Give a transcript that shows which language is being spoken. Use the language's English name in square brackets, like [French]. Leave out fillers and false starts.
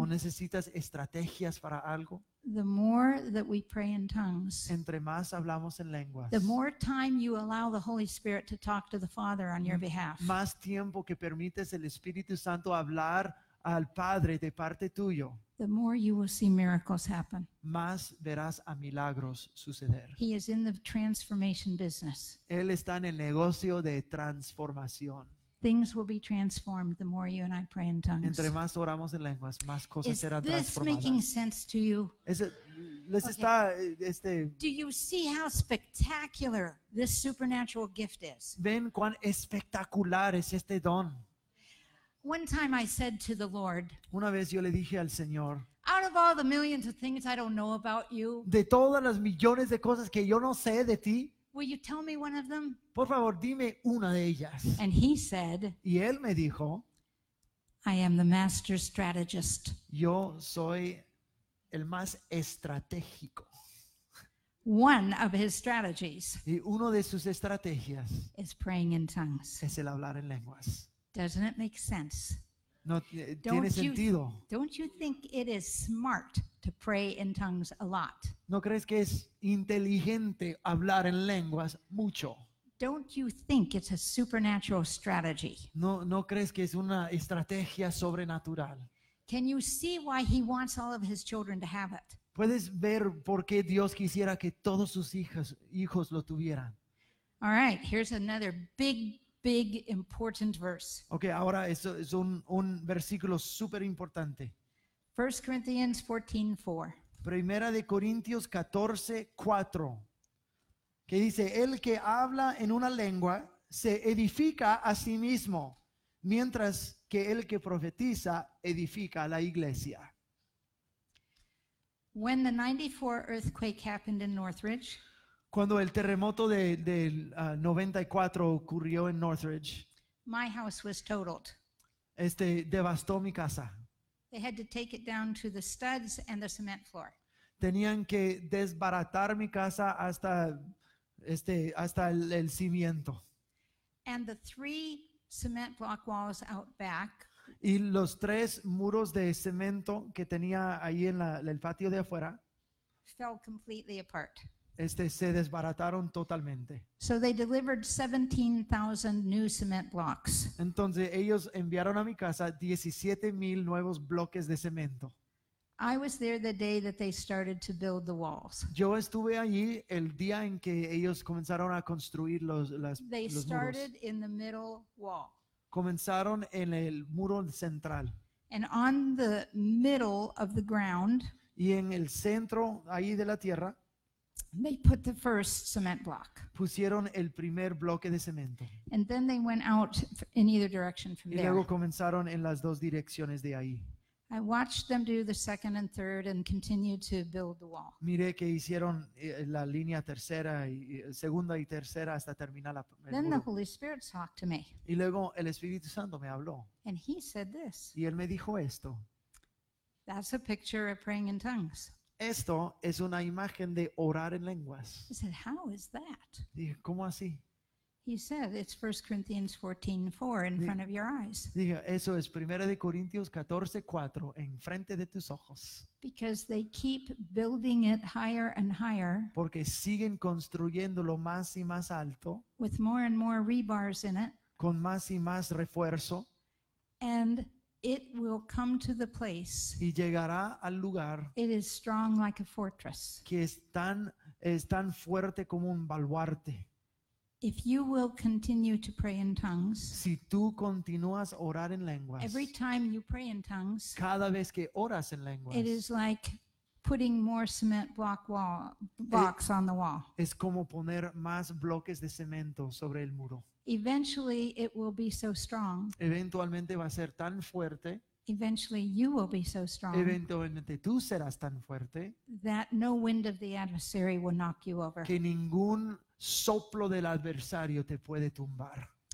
[Spanish] o necesitas estrategias para algo, [English] the more that we pray in tongues, [Spanish] entre más hablamos en lenguas, [English] the more time you allow the Holy Spirit to talk to the Father on your behalf, [Spanish] más tiempo que permites el Espíritu Santo hablar al Padre de parte tuyo, [English] the more you will see miracles happen, [Spanish] más verás a milagros suceder. [English] He is in the transformation business. [Spanish] Él está en el negocio de transformación. [English] Things will be transformed the more you and I pray in tongues. [Spanish] Entre más oramos en lenguas, más cosas serán transformadas. [English] Is this making sense to you? Do you see how spectacular this supernatural gift is? [Spanish] Ven cuán espectacular es este don. [English] One time I said to the Lord, [Spanish] una vez yo le dije al Señor, [English] out of all the millions of things I don't know about you, [Spanish] de todas las millones de cosas que yo no sé de ti, [English] will you tell me one of them? [Spanish] Por favor, dime una de ellas. [English] And he said, [Spanish] y él me dijo, [English] I am the master strategist. [Spanish] Yo soy el más estratégico. [English] One of his strategies. [Spanish] Y uno de sus estrategias [English] is praying in tongues. [Spanish] Es el hablar en lenguas. [English] Doesn't it make sense? [Spanish] No, tiene sentido. [English] Don't you think it is smart to pray in tongues a lot? [Spanish] ¿No crees que es inteligente hablar en lenguas mucho? [English] Don't you think it's a supernatural strategy? [Spanish] ¿No crees que es una estrategia sobrenatural? [English] Can you see why he wants all of his children to have it? [Spanish] ¿Puedes ver por qué Dios quisiera que todos sus hijos lo tuvieran? [English] All right, here's another big, big, important verse. [Spanish] Okay, ahora eso es un versículo súper importante. [English] 1 Corinthians 14:4. [Spanish] Primera de Corintios 14:4. Que dice, el que habla en una lengua se edifica a sí mismo, mientras que el que profetiza edifica a la iglesia. [English] When the 94 earthquake happened in Northridge, [Spanish] cuando el terremoto del 94 ocurrió en Northridge, [English] my house was totaled. [Spanish] Devastó mi casa. [English] They had to take it down to the studs and the cement floor. [Spanish] Tenían que desbaratar mi casa hasta el cimiento. [English] And the three cement block walls out back. [Spanish] Y los tres muros de cemento que tenía ahí en el patio de afuera [English] fell completely apart. [Spanish] Se desbarataron totalmente. [English] So they delivered 17,000 new cement blocks. [Spanish] Entonces ellos enviaron a mi casa 17,000 nuevos bloques de cemento. [English] I was there the day that they started to build the walls. [Spanish] Yo estuve allí el día en que ellos comenzaron a construir los muros. [English] They started in the middle wall. [Spanish] Comenzaron en el muro central. [English] And on the middle of the ground, [Spanish] y en el centro ahí de la tierra, [English] they put the first cement block. [Spanish] Pusieron el primer bloque de cemento. [English] And then they went out in either direction from there. [Spanish] Y luego comenzaron en las dos direcciones de ahí. [English] I watched them do the second and third and continued to build the wall. [Spanish] Miré que hicieron la línea tercera y segunda y tercera hasta terminar la. [English] Then the Holy Spirit talked to me. [Spanish] Y luego el Espíritu Santo me habló. [English] And he said this. [Spanish] Y él me dijo esto. [English] That's a picture of praying in tongues. [Spanish] Esto es una imagen de orar en lenguas. [English] I said, how is that? [Spanish] Dije, ¿cómo así? [English] He said, it's 1 Corinthians 14:4 in front of your eyes. [Spanish] Dije, eso es Primera de Corintios 14:4 en frente de tus ojos. [English] Because they keep building it higher and higher. [Spanish] Porque siguen construyéndolo más y más alto. [English] With more and more rebars in it. [Spanish] Con más y más refuerzo. [English] And it will come to the place. [Spanish] Y llegará al lugar. [English] It is strong like a fortress. [Spanish] Que es tan fuerte como un baluarte. [English] If you will continue to pray in tongues, [Spanish] si tú continúas a orar en lenguas, [English] every time you pray in tongues, [Spanish] cada vez que oras en lenguas, [English] it is like putting more cement blocks on the wall. [Spanish] Es como poner más bloques de cemento sobre el muro. [English] Eventually, it will be so strong. [Spanish] Eventualmente va a ser tan fuerte. [English] Eventually, you will be so strong. [Spanish] Eventualmente tú serás tan fuerte. [English] That no wind of the adversary will knock you over. [Spanish] Que ningún soplo del adversario te puede tumbar.